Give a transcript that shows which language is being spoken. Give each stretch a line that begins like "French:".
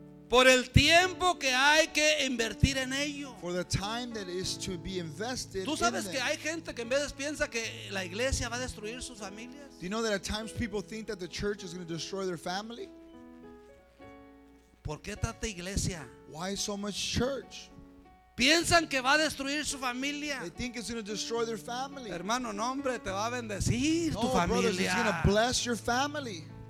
Spanish: Por el tiempo que hay que invertir en ello.
English: For the time that is to be invested.
Spanish: Tú sabes
English: in
Spanish: que hay gente que en veces piensa que la iglesia va a destruir sus familias.
English: Do you know that at times people think that the church is going to destroy their family?
Spanish: ¿Por qué tanta iglesia?
English: Why so much church?
Spanish: Piensan que va a destruir su familia.
English: They think it's going to destroy their family.
Spanish: Hermano, no, hombre, te va a bendecir
English: no,
Spanish: tu familia.
English: Brothers, it's going to bless your family.